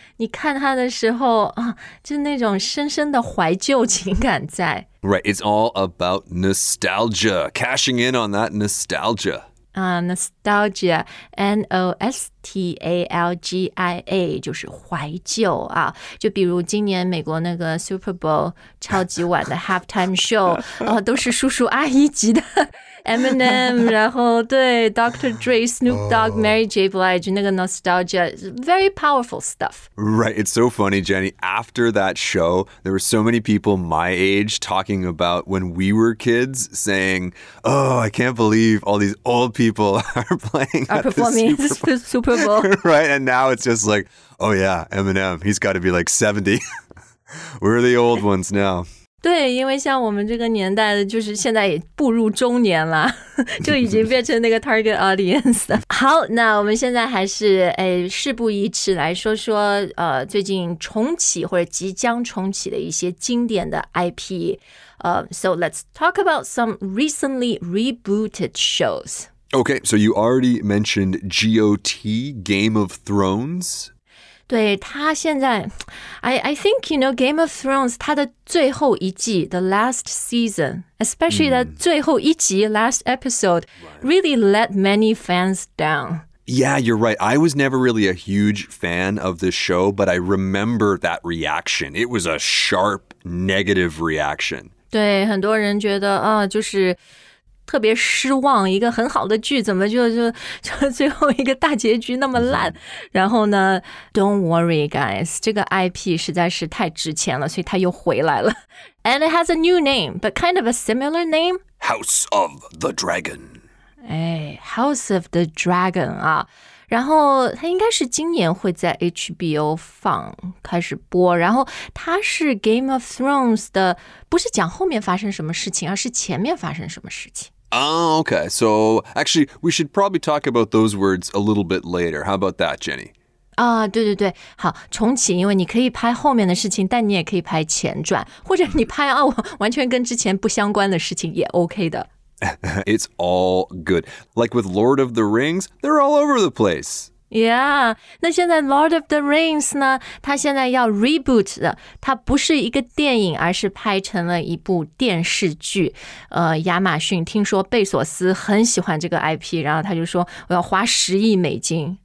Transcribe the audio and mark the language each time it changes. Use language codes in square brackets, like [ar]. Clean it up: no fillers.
[zh] 你看它的时候啊，就那种深深的怀旧情感在。 [en] Right, it's all about nostalgia, cashing in on that nostalgia. [zh] Nostalgia, N-O-S-T-A-L-G-I-A, 就是怀旧啊。就比如今年美国那个 Super Bowl 超级晚的 Halftime Show, 都是叔叔阿姨级的 Eminem, 然后对 Dr. [en] Dre, Snoop Dogg, Mary J. Blige, 那个 Nostalgia, very powerful stuff. Right, it's so funny, Jenny. After that show, there were so many people my age talking about when we were kids saying, oh, I can't believe all these old people are playing are performing the Super Bowl. The Super Bowl. Right, and now it's just like, oh yeah, Eminem, he's got to be like 70. We're the old ones now. [zh] 对，因为像我们这个年代的就是现在也步入中年了，就已经变成那个 target audience 了。好，那我们现在还是事不宜迟，来说说最近重启或者即将重启的一些经典的 IP。 [en] So let's talk about some recently rebooted shows. Okay, so you already mentioned GOT, Game of Thrones. [zh] 对，他现在 [en] I think, you know, Game of Thrones, [zh] 他的最后一季 [en] the last season, especially the [zh] 最后一集 [en] last episode, really let many fans down. Yeah, you're right. I was never really a huge fan of the show, but I remember that reaction. It was a sharp negative reaction. [zh] 对，很多人觉得啊，就是特别失望，一个很好的剧怎么就最后一个大结局那么烂？然后呢 ， [en] Don't worry, guys， [zh] 这个 IP 实在是太值钱了，所以它又回来了。 [en] And it has a new name, but kind of a similar name. House of the Dragon. [zh] 哎 ，House of the Dragon 啊，然后它应该是今年会在 HBO 放开始播。然后它是 Game of Thrones 的，不是讲后面发生什么事情，而是前面发生什么事情。 [en] Oh, okay, so actually, we should probably talk about those words a little bit later. How about that, Jenny? [zh] 啊、对对对，好，重启，因为你可以拍后面的事情，但你也可以拍前传，或者你拍啊，完全跟之前不相关的事情也 OK 的。 [en] It's all good. Like with Lord of the Rings, they're all over the place. [zh] Yeah, 那现在 Lord of the Rings 呢，它现在要 reboot 的，它不是一个电影，而是拍成了一部电视剧。亚马逊听说贝索斯很喜欢这个 IP， 然后他就说我要花10亿美金。